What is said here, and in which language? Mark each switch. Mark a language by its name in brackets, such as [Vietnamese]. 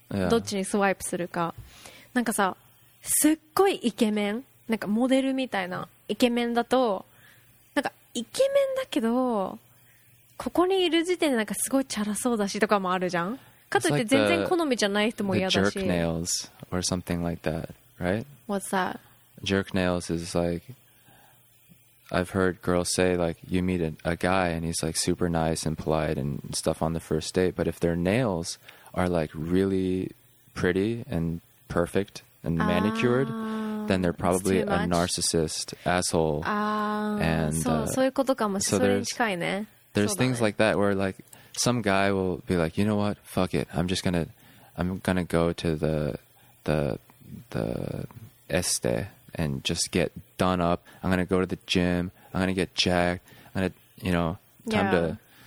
[Japanese] どっちにスワイプするか。なんかさ、すっごいイケメン。なんかモデルみたいなイケメンだと、なんかイケメンだけど、ここにいる時点でなんかすごいチャラそうだしとかもあるじゃん。かといって全然好みじゃない人も嫌だし。 [English] The jerk nails or something like that, right? What's that? Jerk nails is like I've heard girls say like you meet a guy and he's like super nice and polite and stuff on the first date, but if their nails are like really pretty and perfect and manicured, then they're probably a narcissist asshole. [Japanese] そういうことかもしれない。 [English] There's things like that where like some guy will be like, you know what? Fuck it. I'm gonna go to the este and just get done up. I'm gonna go to the gym. I'm gonna get jacked. I'm gonna, you know, time to.